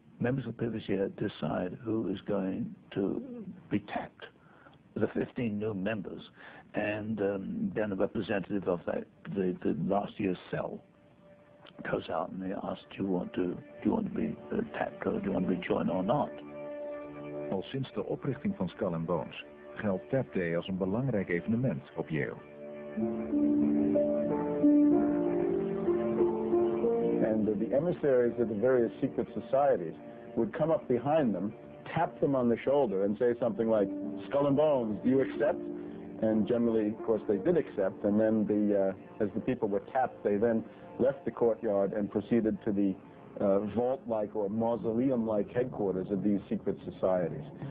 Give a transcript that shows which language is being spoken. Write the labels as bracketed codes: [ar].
[en] members of the privacy decide who is going to be tapped, the 15 new members, and then a representative of that, the last year's cell, goes out and they ask, do you want to be tapped or do you want to be joined or not? [nl] Al sinds de oprichting van Skull and Bones geldt Tap Day als een belangrijk evenement op Yale. [en] And the emissaries of the various secret societies would come up behind them, tap them on the shoulder and say something like, Skull and Bones, do you accept? And generally, of course, they did accept. And then as the people were tapped, they then left the courtyard and proceeded to the vault-like or mausoleum-like headquarters of these secret societies.